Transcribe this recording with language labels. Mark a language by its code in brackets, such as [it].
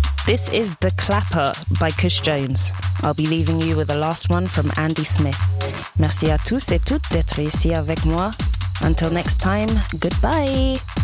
[en] This is The Clapper by Kush Jones. I'll be leaving you with the last one from Andy Smith. [fr] Merci à tous et toutes d'être ici avec moi. [en] Until next time, goodbye!